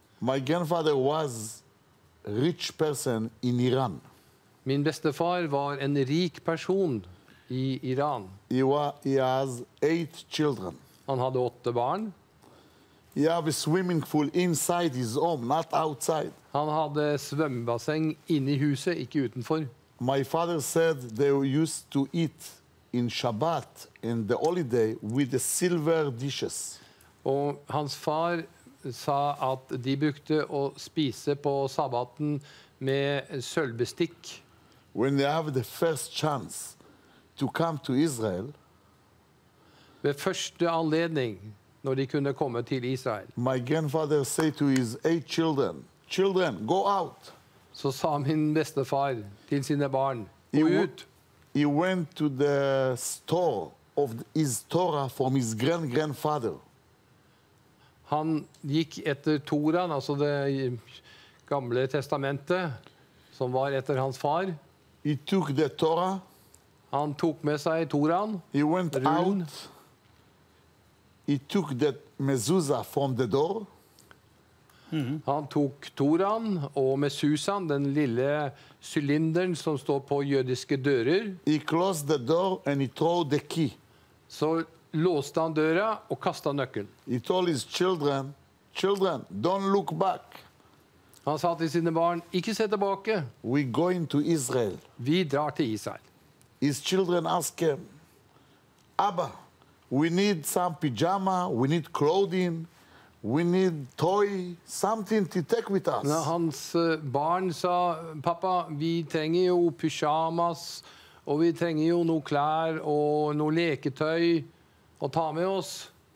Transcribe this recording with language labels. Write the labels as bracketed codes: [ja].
[en] My grandfather was rich person in Iran. [no] Min bestefar var en rik person i Iran. [en] He has 8 children. [no] Han hadde 8 barn. [en] He had a swimming pool inside his home, not outside. [no] Han hadde svømmebasseng inne i huset, ikke utenfor. [en] My father said they used to eat in Shabbat in the holiday with the silver dishes. [no] Og hans far sa at de brukte å spise på sabbaten med sølvbestikk. [en] When they have the first chance to come to Israel, [no] ved første anledning når de kunne komme til Israel, [en] my grandfather said to his 8 children, children, go out. [no] Så sa min bestefar til sine barn, gå ut. [en] He went to the store of his Torah from his grandfather. [no] Han gikk etter Toraen, altså det gamle testamentet, som var etter hans far. [en] He took the Torah. [no] Han tok med seg Toraen. [en] He went out. he took the mezuzah from the door. [no] Mm-hmm. Han tok Toran og mezuzahen, den lille sylinderen som står på jødiske dører. [en] He closed the door and he threw the key. [no] Så låste han døra og kastet nøkkelen. [en] He told his children, children, don't look back. [no] Han sa til sine barn, ikke se tilbake. [en] We go into Israel. [no] Vi drar til Israel. [en] His children ask him, Abba, we need some pyjama, we need clothing. We need toy, something to take with us. [no] Når hans barn sa, pappa, vi trenger jo pyjamas, og vi trenger jo noe klær og noe leketøy å ta med oss.